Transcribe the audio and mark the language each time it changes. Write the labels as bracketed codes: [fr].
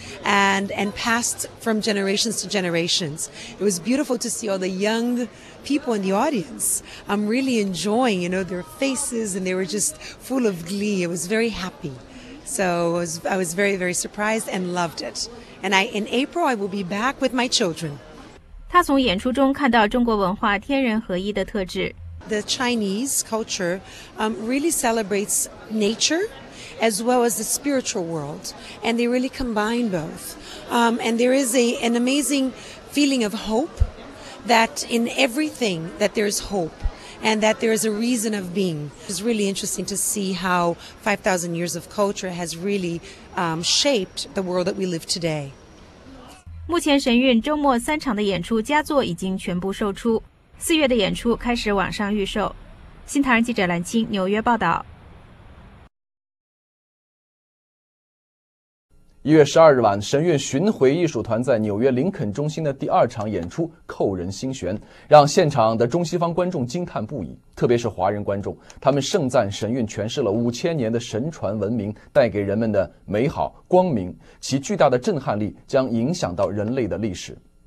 [en] And passed from generations to generations. It was beautiful to see all the young people in the audience. I'm really enjoying, you know, their faces, and they were just full of glee. I was very happy. So I was very, very surprised and loved it. And in April, I will be back with my children. [zh] 他从演出中看到中国文化天人合一的特质。 [en] The Chinese culture really celebrates nature. As well as the spiritual world, and they really combine both. And there is an amazing feeling of hope that in everything that there is hope, and that there is a reason of being. It's really interesting to see how 5,000 years of culture has really shaped the world that we live today. [zh] 目前神韵周末三场的演出佳作已经全部售出，四月的演出开始网上预售。新唐人记者蓝青，纽约报道。 1月12日晚，神韵巡回艺术团在纽约林肯中心的第二场演出扣人心弦，让现场的中西方观众惊叹不已，特别是华人观众，他们盛赞神韵诠释了五千年的神传文明带给人们的美好光明，其巨大的震撼力将影响到人类的历史。